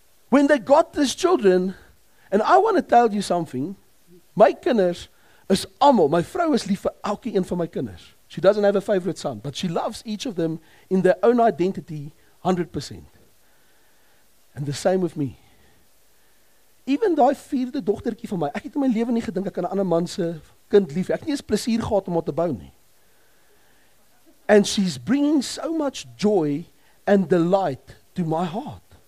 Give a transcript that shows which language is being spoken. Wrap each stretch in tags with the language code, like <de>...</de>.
<en>When they got these children, and I want to tell you something,</en> <af>my kinders is almal, my vrou is lief vir elke een van my kinders.</af> <en>She doesn't have a favorite son, but she loves each of them in their own identity 100%. And the same with me.</en> <af>Even daai vierde dogtertjie van my, ek het in my lewe nie gedink ek kan 'n ander man se kind lief hê. Ek het nie eens plesier gehad om haar te bou nie.</af> <en>And she's bringing so much joy and delight to my heart.</en>